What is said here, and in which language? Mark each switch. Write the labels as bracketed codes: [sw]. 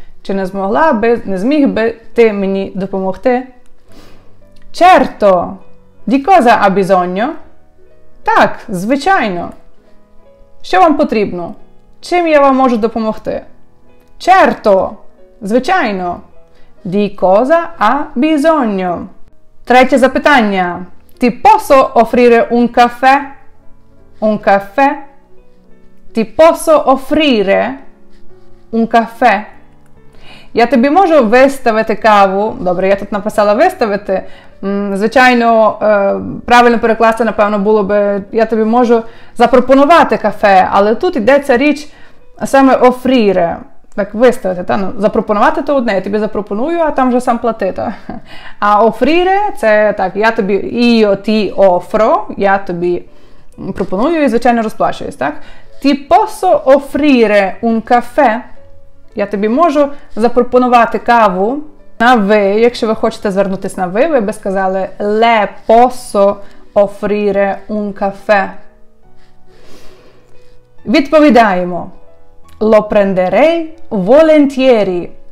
[uk] Чи не змогла би, не зміг би ти мені допомогти? [it] Черто. Ді коза а бізоньо? [uk] Так, звичайно. Що вам потрібно? Чим я вам можу допомогти? Certo, звичайно. [it] Di cosa ha bisogno? [uk] Третє запитання. [it] Ti posso offrire un caffè? Un caffè? Ti posso offrire un caffè? [uk] Я тобі можу виставити каву? Добре, я тут написала виставити. Звичайно, правильно перекласти, напевно, було би, я тобі можу запропонувати кафе, але тут йдеться річ саме offrire, так виставити, та? Ну, запропонувати то одне, я тобі запропоную, а там вже сам платити. А offrire, це так, я тобі, [it] io ti offro, [uk] я тобі пропоную і, звичайно, розплачуюсь, так? [it] Ti posso offrire un caffè? [uk] Я тобі можу запропонувати каву. На ви, якщо ви хочете звернутися на ви би сказали [it] «Le posso offrire un caffè?» [uk] Відповідаємо. [it] «Lo prenderei volentieri».